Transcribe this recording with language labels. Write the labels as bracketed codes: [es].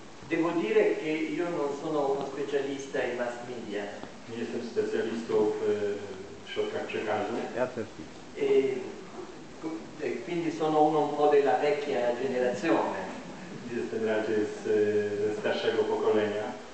[it] Devo dire che io non sono uno specialista in mass media. [pl] Nie jestem specjalistą w środkach przekazu. Ja też nie. [it] Quindi sono uno un po' della vecchia generazione. [pl] Jestem raczej ze starszego pokolenia.